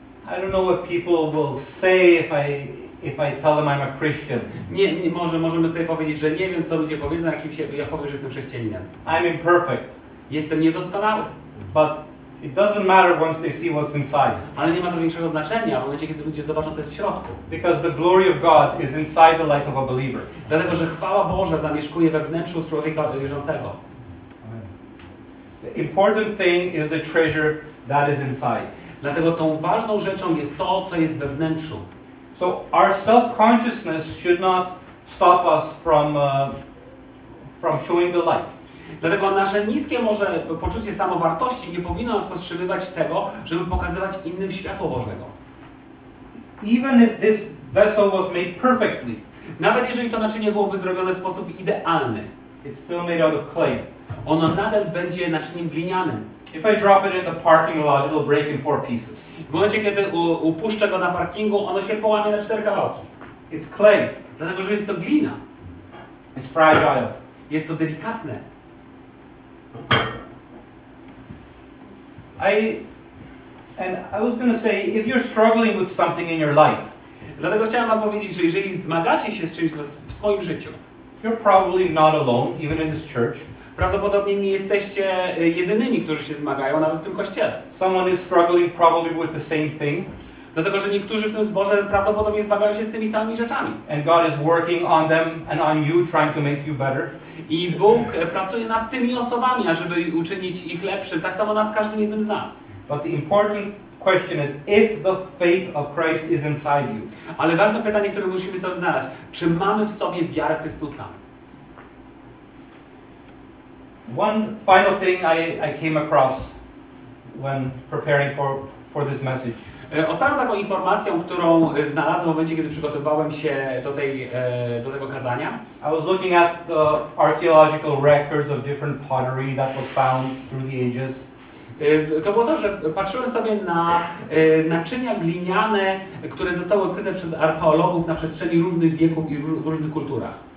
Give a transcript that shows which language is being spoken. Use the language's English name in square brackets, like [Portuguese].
[English] I don't know what people will say if I tell them I'm a Christian. [Polish] Nie, możemy sobie powiedzieć, że nie wiem, co ludzie powiedzą, jak im się ja powiem, że jestem chrześcijaninem. [English] I'm imperfect. [Polish] Jestem niedoskonały. [English] But it doesn't matter once they see what's inside. [Polish] Ale nie ma to większego znaczenia w momencie, kiedy ludzie zobaczą, co jest w środku. [English] Because the glory of God is inside the life of a believer. [Polish] Dlatego, że chwała Boża zamieszkuje we wnętrzu człowieka wierzącego. [English] The important thing is the treasure that is inside. [Polish] Dlatego tą ważną rzeczą jest to, co jest we wnętrzu. [English] So our self-consciousness should not stop us from showing the light. [Polish] Dlatego nasze niskie może poczucie samowartości nie powinno nas powstrzymywać tego, żeby pokazywać innym światło Bożego. [English] Even if this vessel was made perfectly, [Polish] nawet jeżeli to naczynie byłoby zrobione w sposób idealny, [English] it's still made out of clay. [Polish] Ono nadal będzie naczyniem glinianym. [English] If I drop it in the parking lot, it'll break in four pieces. [Polish] W momencie, kiedy upuszczę go na parkingu, ono się połamie na cztery kawałki. [English] It's clay. [Polish] Dlatego, że jest to glina. [English] It's fragile. [Polish] Jest to delikatne. [English] I was gonna say, if you're struggling with something in your life. [Polish] Dlatego chciałem wam powiedzieć, że jeżeli zmagacie się z czymś w swoim życiu, [English] you're probably not alone, even in this church. [Polish] Prawdopodobnie nie jesteście jedynymi, którzy się zmagają, nawet w tym kościele. [English] Someone is struggling probably with the same thing. [Polish] Dlatego, że niektórzy w tym zborze prawdopodobnie zmagają się z tymi samymi rzeczami. [English] And God is working on them and on you, trying to make you better. [Polish] I Bóg pracuje nad tymi osobami, ażeby uczynić ich lepszym. Tak samo nad każdym jednym z nas. [English] But the important question is, if the faith of Christ is inside you. [Polish] Ale ważne pytanie, które musimy sobie znaleźć. Czy mamy w sobie wiarę Chrystusa? [English] One final thing I came across when preparing for this message. [Polish] Ostatnią taką informacją, którą znalazłem w momencie, kiedy przygotowywałem się do tego kazania. [English] I was looking at the archaeological records of different pottery that was found through the ages. [Polish] To było to, że patrzyłem sobie na naczynia gliniane, które zostały odkryte przez archeologów na przestrzeni różnych wieków i w różnych kulturach.